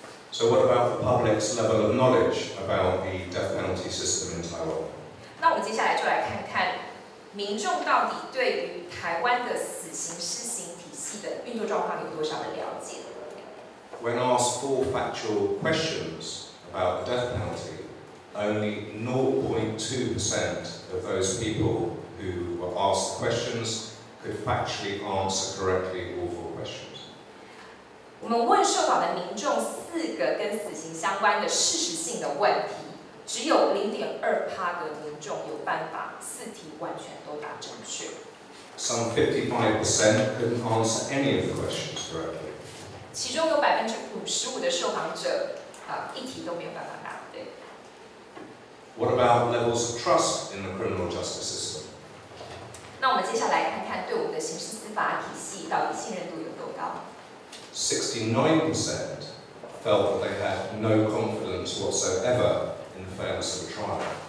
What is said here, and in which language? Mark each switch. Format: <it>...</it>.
<en>So what about the public's level of knowledge about the death penalty system in Taiwan?</en> <zh>那我们接下来就来看看民众到底对于台湾的死刑施行体系的运作状况有多少的了解。</zh> <en>When asked four factual questions about the death penalty, only 0.2% of those people who were asked questions could factually answer correctly all four questions.</en> <zh>我们问受访的民众四个跟死刑相关的事实性的问题，只有 0.2% 的民众有办法四题完全都答正确。</zh> <en>Some 55% couldn't answer any of the questions correctly.</en> <zh>其中有55%的受访者一题都没有办法答对。</zh> <en>What about levels of trust in the criminal justice system?</en> <zh>那我们接下来看看对我们的刑事司法体系到底信任度有多高。</zh> <en>69% felt that they had no confidence whatsoever in the fairness of the trial.</en>